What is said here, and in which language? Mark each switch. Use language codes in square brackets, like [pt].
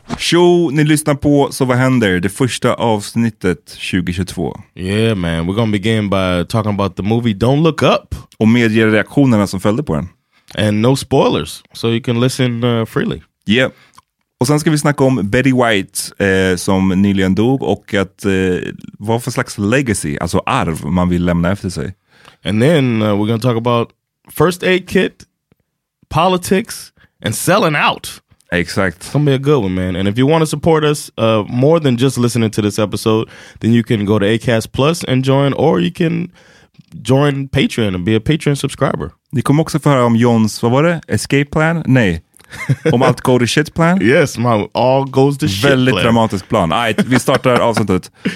[sv] Jo, ni lyssnar på Så Vad Händer, det första avsnittet 2022. [en] Yeah man, we're gonna begin by talking about the movie Don't Look Up. [sv] Och mediereaktionerna som följde på den. [en] And no spoilers, so you can listen freely. Yeah. [sv] Och sen ska vi snacka om Betty White som nyligen dog och att vad för slags legacy, alltså arv man vill lämna efter sig. [en] And then we're gonna talk about first aid kit, politics and selling out. Exact. It's gonna be a good one, man. And if you want to support us more than just listening to this episode, then you can go to Acast Plus and join, or you can join Patreon and be a Patreon subscriber. [sv] Ni kommer också få höra om Jons, vad var det? [en] Escape plan? [sv] Nej. Om allt går till shit plan? [en] Yes, my all goes to shit. [sv] Väldigt dramatisk plan. All right, vi startar avsnittet.